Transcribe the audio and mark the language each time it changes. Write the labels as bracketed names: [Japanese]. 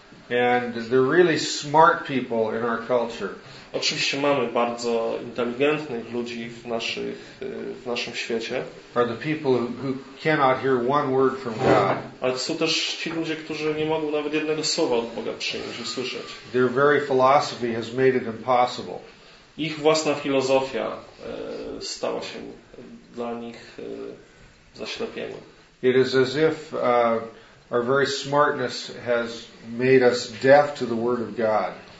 [English] And they're really smart people in our culture. [Polish] Oczywiście mamy bardzo inteligentnych ludzi w naszym świecie. [English] Are the people who cannot hear one word from God. [Polish] Ale są też ci ludzie, którzy nie mogą nawet jednego słowa od Boga przyjąć, usłyszeć. [English] Their very philosophy has made it impossible. [Polish] Ich własna filozofia stała się dla nich zaślepieniem. [English] It is as if our very smartness has made us deaf to the word of God.